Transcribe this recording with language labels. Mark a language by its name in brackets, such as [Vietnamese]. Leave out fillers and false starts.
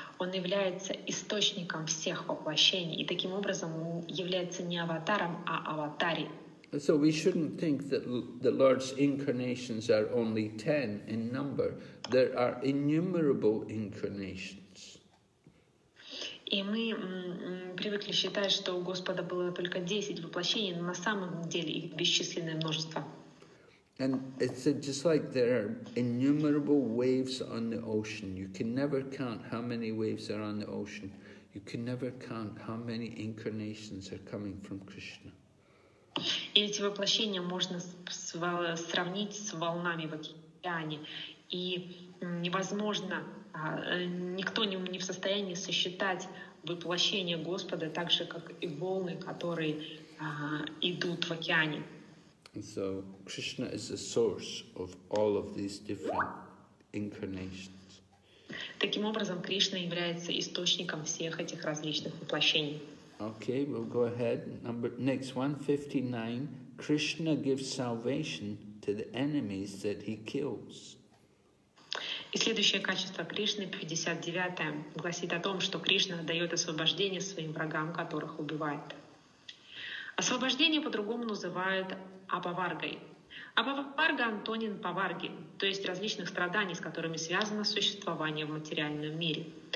[Russian] Он является источником всех воплощений. И таким образом он является не аватаром, а аватари. [English] So we shouldn't think that the Lord's incarnations are only 10 in number. There are innumerable incarnations. [Russian] И мы привыкли считать, что у Господа было только 10 воплощений, но на самом деле их бесчисленное множество. [English] And it's just like there are innumerable waves on the ocean. You can never count how many waves are on the ocean. You can never count how many incarnations are coming from Krishna. [Russian] И эти воплощения можно сравнить с волнами в океане. И невозможно, никто не в состоянии сосчитать воплощение Господа, так же, как и волны, которые идут в океане. [English] So, Krishna is the source of all of these different incarnations. [Russian] Таким образом, Кришна является источником всех этих различных воплощений. [English] Okay, we'll go ahead. Next one, 59. Krishna gives salvation to the enemies that he kills. [Russian] И следующее качество Кришны, 59-е, гласит о том, что Кришна дает освобождение своим врагам, которых убивает. Освобождение по-другому называют апаваргой. Апаварга — антоним паварги, то есть различных страданий, с которыми связано существование в материальном мире.